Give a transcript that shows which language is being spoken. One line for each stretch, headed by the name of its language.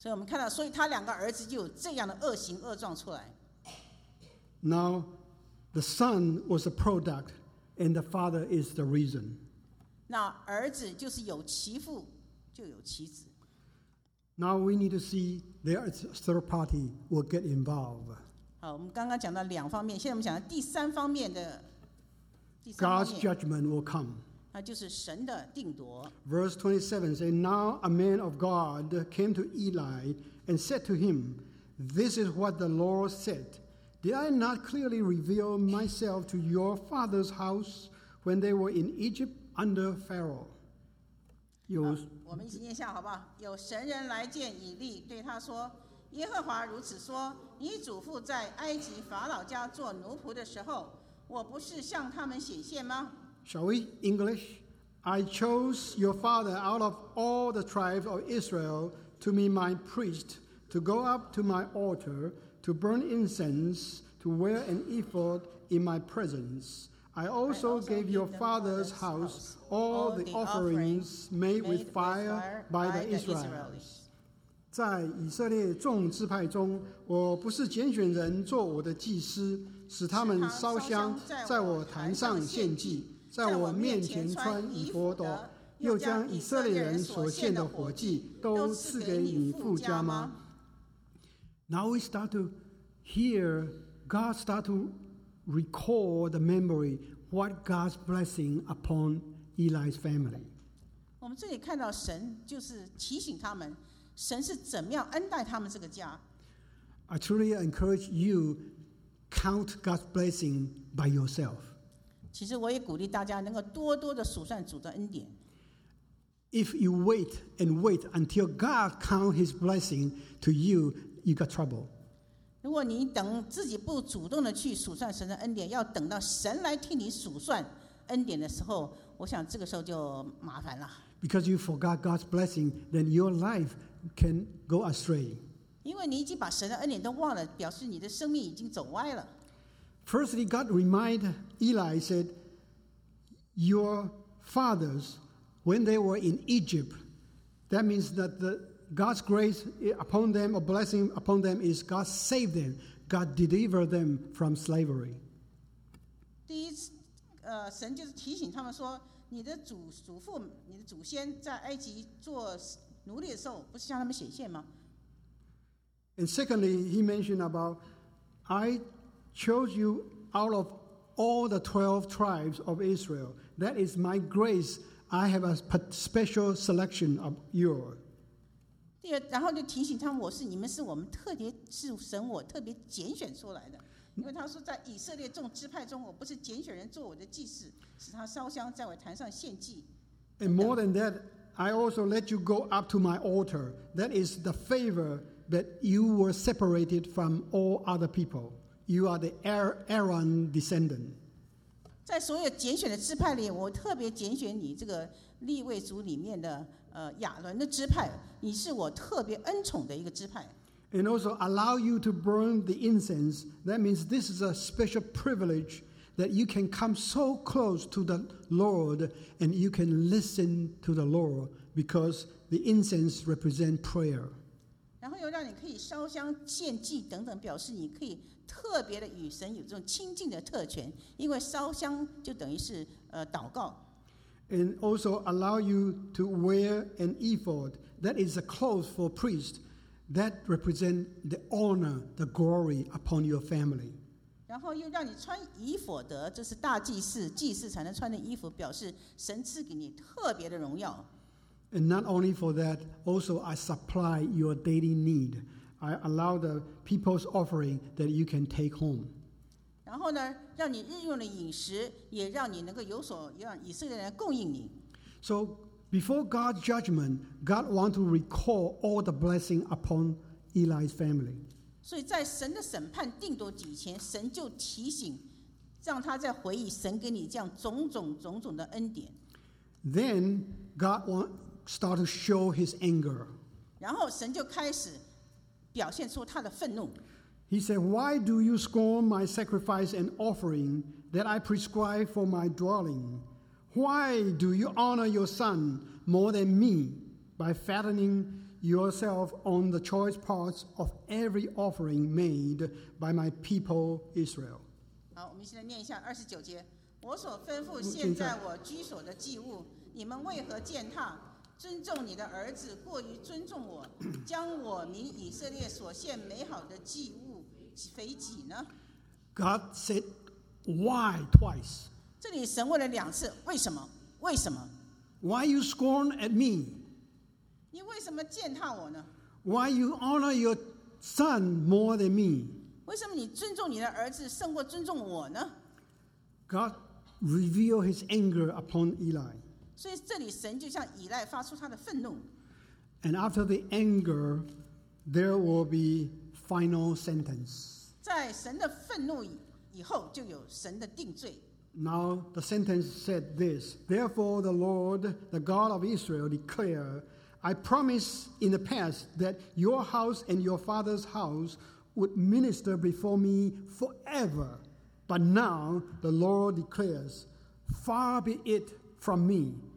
Chinese: 所以我们看到，所以他两个儿子就有这样的恶行恶状出来。
English: Now, the son was a product, and the father is the reason.
Chinese: 那儿子就是有其父，就有其子。
English: Now we need to see there is a third party will get involved.
Chinese: 好，我们刚刚讲到两方面，现在我们讲到第三方面的。
English: God's judgment will come.
Chinese: 那就是神的定夺。
English: Verse 27 says, Now a man of God came to Eli and said to him, This is what the Lord said. Did I not clearly reveal myself to your father's house when they were in Egypt under Pharaoh?
Chinese: 我们一起念一下好不好？有神人来见以利，对他说：“耶和华如此说，你祖父在埃及法老家做奴仆的时候，我不是向他们显现吗？”
English: Shall we English? I chose your father out of all the tribes of Israel to be my priest, to go up to my altar, to burn incense, to wear an ephod in my presence. I also gave your father's house all the offerings made with fire by the Israelites.
Chinese: 在以色列众支派中，我不是拣选人做我的祭司，使他们烧香，在我坛上献祭，在我面前穿以弗的，又将以色列人所献的火祭都赐给你父家吗？
English: Now we start to hear God start to. Recall the memory what God's blessing upon Eli's family.
Chinese: 我们这里看到神就是提醒他们，神是怎么样恩待他们这个家。
English: I truly encourage you count God's blessing by yourself.
Chinese: 其实我也鼓励大家能够多多的数算主的恩典。
English: If you wait and wait until God count His blessing to you, you got trouble.
Chinese: 如果你等自己不主动的去数算神的恩典，要等到神来替你数算恩典的时候，我想这个时候就麻烦了。
English: Because you forgot God's blessing, then your life can go astray.
Chinese: 因为你已经把神的恩典都忘了，表示你的生命已经走歪了。
English: Firstly, God reminded Eli, said, "Your fathers, when they were in Egypt, that means that the." God's grace upon them, a blessing upon them, is God saved them, God delivered them from slavery.
Chinese: 第一，神就是提醒他们说，你的祖父、你的祖先在埃及做奴隶的时候，不是向他们显现吗？
English: And secondly, he mentioned about, I chose you out of all the 12 tribes of Israel. That is my grace. I have a special selection of yours.
Chinese: 然后就提醒他们，我是你们是我们特别是神，我特别拣选出来的。因为他说，在以色列众支派中，我不是拣选人做我的祭司，使他烧香在我坛上献祭。
English: And more than that, I also let you go up to my altar. That is the favor that you were separated from all other people. You are the Aaron descendant.
Chinese: 在所有拣选的支派里，我特别拣选你这个利未族里面的。亚伦的支派，你是我特别恩宠的一个支派。
English: And also allow you to burn the incense. That means this is a special privilege that you can come so close to the Lord and you can listen to the Lord because the incense represent prayer.
Chinese: 然后又让你可以烧香献祭等等，表示你可以特别的与神有这种亲近的特权，因为烧香就等于是祷告。
English: And also allow you to wear an ephod. That is a cloth for priest. That represents the honor, the glory upon your family.
Chinese: 然后又让你穿以弗德，这是大祭司，祭司才能穿的衣服，表示神赐给你特别的荣耀。
English: And not only for that, also I supply your daily need. I allow the people's offering that you can take home.
Chinese: 然后呢，让你日用的饮食，也让你能够有所让以色列人供应你。
English: So before God's judgment, God wants to recall all the blessing upon Eli's family.
Chinese: 所以在神的审判定夺以前，神就提醒，让他在回忆神给你这样种种的恩典。
English: Then God wants start to show His anger.
Chinese: 然后神就开始表现出他的愤怒。
English: He said, Why do you scorn my sacrifice and offering that I prescribe for my dwelling? Why do you honor your son more than me by fattening yourself on the choice parts of every offering made by my people Israel.
Chinese: 好，我们现在念一下二十九节。我所吩咐现在我居所的祭物，你们为何践踏？尊重你的儿子过于尊重我，将我民以色列所献美好的祭物肥己呢？
English: God said why twice.
Chinese: 这里神问了两次，为什么？为什么？
English: Why you scorn at me?
Chinese: 你为什么践踏我呢？
English: Why you honor your son more than me?
Chinese: 为什么你尊重你的儿子胜过尊重我呢？
English: God revealed his anger upon Eli.
Chinese: 所以这里神就向以利发出他的愤怒。
English: And after the anger, there will be final sentence.
Chinese: 在神的愤怒以后，就有神的定罪。
English: Now the sentence said this: Therefore, the Lord, the God of Israel, declare, I promise in the past that your house and your father's house would minister before me forever, but now the Lord declares, Far be it from me.